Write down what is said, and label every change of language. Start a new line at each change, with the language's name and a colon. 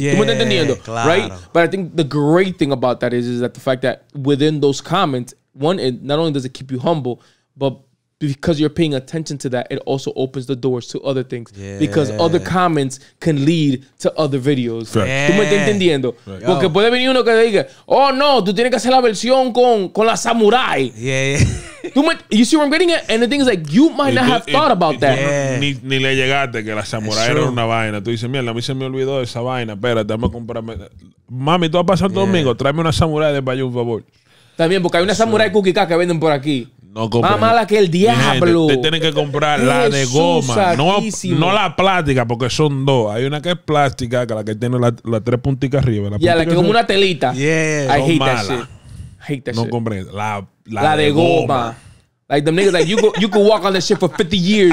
English: Yeah,
Spanish: claro. Right?
English: But I think the great thing about that is that the fact that within those comments, one, it not only does it keep you humble, but because you're paying attention to that, it also opens the doors to other things. Yeah. Because other comments can lead to other videos. Yeah.
Spanish: ¿Tú me estás entendiendo? Right. Porque puede venir uno que diga, oh no, tú tienes que hacer la versión con la samurai.
English: Yeah. You see where I'm getting at? And the thing is, like, you might not have thought about that. Yeah.
Spanish: Ni le llegaste que la samurai era una vaina. Tú dices, mierda, a mí se me olvidó esa vaina. Espera, déjame comprarme. Mami, tú vas a pasar todo domingo. Tráeme una samurai de Bayou, por favor. También, porque hay una samurai cookie que venden por aquí. No compren. Más mala que el diablo. Te tienen que comprar la de goma. No la plástica, porque son dos. Hay una que es plástica, que la que tiene la tres punticas arriba. La puntica, la que es como una telita.
English: Yeah. I hate that shit.
Spanish: No compren. La de goma.
English: Like, them niggas, like, you could walk on that shit for 50 years,